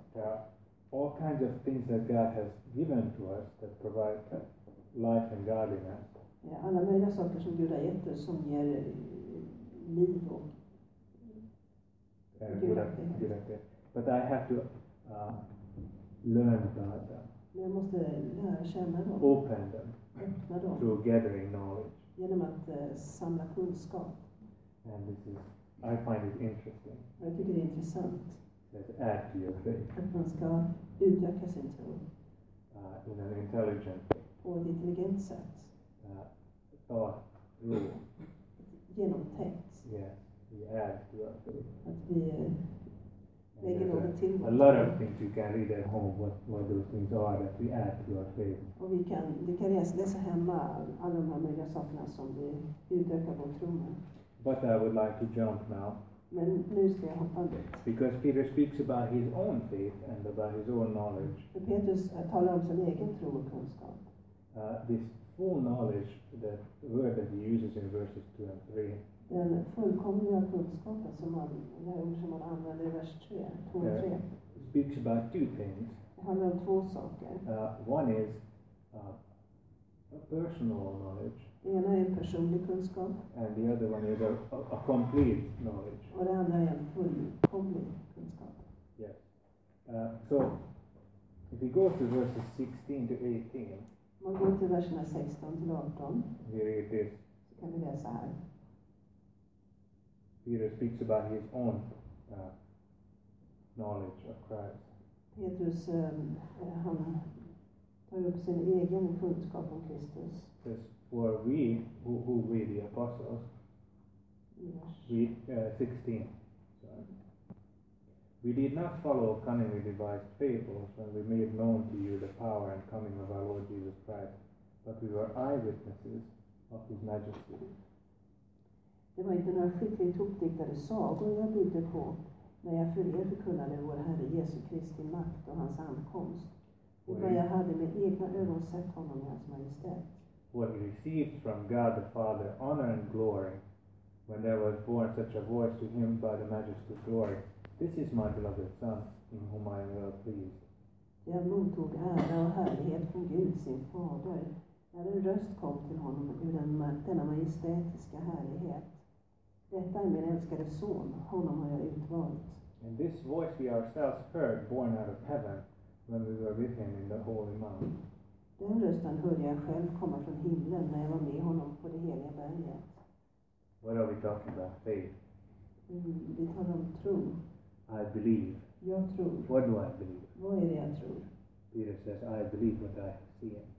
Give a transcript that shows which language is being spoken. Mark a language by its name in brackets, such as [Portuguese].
[English] There are all kinds of things that God has given to us that provide life and godliness. [Swedish] Alla möjliga saker som Gud har gett oss som ger liv och gudaktighet. [English] But I have to learn about them. [Swedish] Men jag måste lära känna dem. [English] Open them. [Swedish] Öppna dem. [English] Through gathering knowledge. [Swedish] Genom att samla kunskap. [English] And this is, I find it interesting. [Swedish] Jag tycker det är intressant. [English] That add to your faith. [Swedish] Att man ska utöka sin tro. [English] In an intelligent way. [Swedish] På ett intelligent sätt. [English] Thought through. [Swedish] Genomtänkt. [English] Yes, we add to our faith. [Swedish] Att vi lägger något till. [English] A lot of things you can read at home, what those things are that we add to our faith. [Swedish] Och vi kan läsa hemma alla de här möjliga sakerna som vi utökar vår tro med. [English] But I would like to jump now. [Swedish] Men nu ska jag hoppa dit. [English] Because Peter speaks about his own faith and about his own knowledge. [Swedish] För Petrus talar om sin egen tro och kunskap. [English] This full knowledge, the word that he uses in verses 2 and 3. [Swedish] Den fullkomliga kunskapen som man, det ord som man använder i vers 3, 2 och 3. [English] It speaks about two things. [Swedish] Det handlar om två saker. [English] One is a personal knowledge. [Swedish] Det ena är en personlig kunskap. [English] And the other one is a complete knowledge. [Swedish] Och det andra är en fullkomlig kunskap. [English] Yes. So if we go to verses 16 to 18. [Swedish] Om man går till verserna 16 till 18. [English] We read this. [Swedish] Så kan vi läsa här. [English] Peter speaks about his own knowledge of Christ. [Swedish] Petrus, han tar upp sin egen kunskap om Kristus. [English] Says, for we, who we the apostles, we 16. We did not follow cunningly devised fables when we made known to you the power and coming of our Lord Jesus Christ, but we were eyewitnesses of his majesty. [Swedish] Det var inte några skickligt uppdiktade sagor jag byggde på, när jag för er förkunnade vår Herre Jesu Kristi makt och hans ankomst, utan jag hade med egna ögon sett honom i hans majestät. [English] What he received from God the Father honor and glory, when there was born such a voice to him by the majesty of glory, this is my beloved son, in whom I am well pleased. [Swedish] Jag mottog ära och härlighet från Gud sin fader, när en röst kom till honom ur denna majestätiska härlighet. Detta är min älskade son, honom har jag utvalt. [English] And this voice we ourselves heard, born out of heaven, when we were with him in the holy mount. [Swedish] Den rösten hörde jag själv komma från himlen när jag var med honom på det heliga berget. [English] What are we talking about? Faith. [Swedish] Vi talar om tro. [English] I believe. [Swedish] Jag tror. [English] What do I believe? [Swedish] Vad är det jag tror? [English] Peter says, I believe what I see.